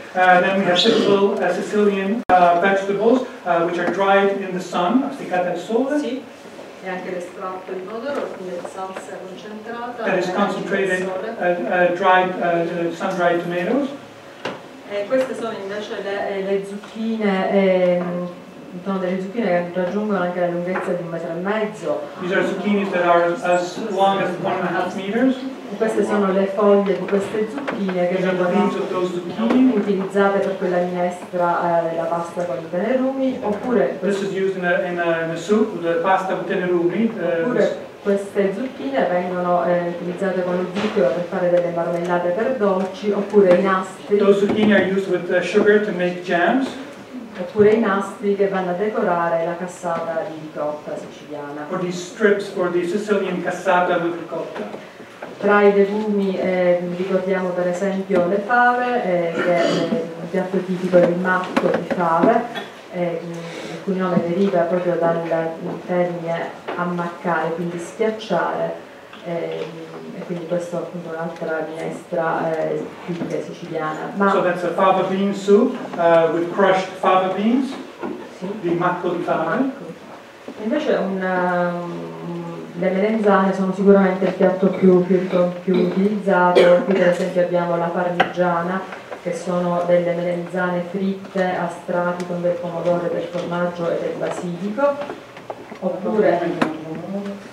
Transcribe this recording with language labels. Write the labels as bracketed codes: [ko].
[en] Then we have typical Sicilian vegetables, which are dried in the sun, [it] applicate al sole. Sì, e anche l'estratto di pomodoro, quindi la salsa concentrata. [en] That is concentrated, dried, sun-dried tomatoes. [it] Queste sono invece le zucchine, sono delle zucchine che raggiungono anche la lunghezza di 1.5 meters. [en] These are zucchinis that are as long as 1.5 meters. [it] Queste sono le foglie di queste zucchine che vengono utilizzate per quella minestra della pasta con i tenerumi, oppure [en] this is used in a soup, the pasta with tenerumi. [it] Oppure queste zucchine vengono utilizzate con lo zucchero per fare delle marmellate per dolci, oppure i nastri. [en] Those zucchini are used with sugar to make jams. [it] Oppure i nastri che vanno a decorare la cassata di ricotta siciliana. [en] Or these strips for the Sicilian cassata with ricotta. [it] Tra i legumi ricordiamo per esempio le fave, che è un piatto tipico del matto di fave, cognome deriva proprio dal termine ammaccare, quindi schiacciare, e quindi questo appunto è un'altra minestra tipica siciliana. Ma... [en] So that's a fava bean soup with crushed fava beans, sì. [it] Di macco di fave. Invece le melanzane sono sicuramente il piatto più utilizzato, qui per esempio abbiamo la parmigiana, che sono delle melanzane fritte a strati con del pomodoro, del formaggio e del basilico, oppure...